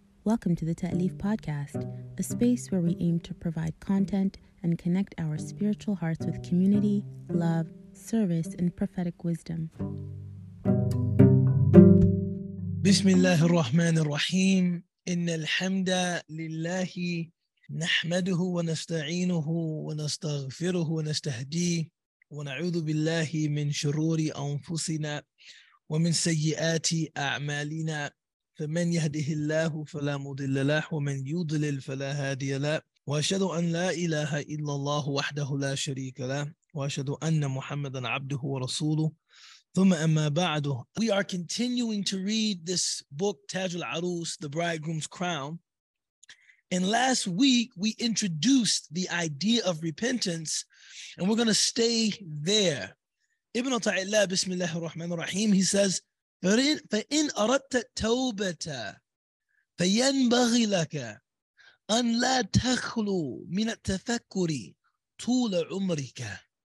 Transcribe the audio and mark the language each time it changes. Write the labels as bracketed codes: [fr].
[en] Welcome to the Ta'lif Podcast, a space where we aim to provide content and connect our spiritual hearts with community, love, service, and prophetic wisdom. [ar] Bismillah ar-Rahman ar-Rahim. Inna alhamda lillahi nahmaduhu wa nasta'inuhu wa nastaghfiruhu wa nastahdihi wa na'udhu billahi min shururi anfusina ومن سيئات أعمالنا فمن يهده الله فلا مضل له ومن يضلل فلا هادي له وأشهد أن لا إله إلا الله وحده لا شريك له وأشهد أن محمدا عبده ورسوله ثم أما بعد. [en] We are continuing to read this book Taj al-Arus, The Bridegroom's Crown. And last week we introduced the idea of repentance, and we're going to stay there. [ar] Ibn Ta'ala, Bismillah ar-Rahman ar-Rahim, [en] he says, [ar] فَإِنْ أَرَدْتَ التَّوْبَةَ فَيَنْبَغِي لَكَ أَنْ لَا تَخْلُوا مِنَ التَّفَكُّرِ طُولَ عُمْرِكَ.